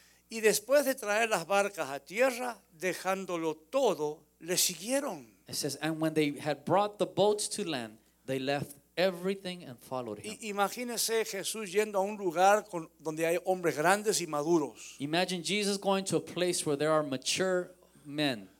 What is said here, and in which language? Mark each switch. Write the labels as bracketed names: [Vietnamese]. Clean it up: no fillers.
[Spanish] Y después de traer las barcas a tierra, dejándolo todo, le siguieron. [English] It says, and when they had brought the boats to land, they left everything and followed him. [Spanish] Imagínese Jesús yendo a un lugar con donde hay hombres grandes y maduros. [English] Imagine Jesus going to a place where there are mature men.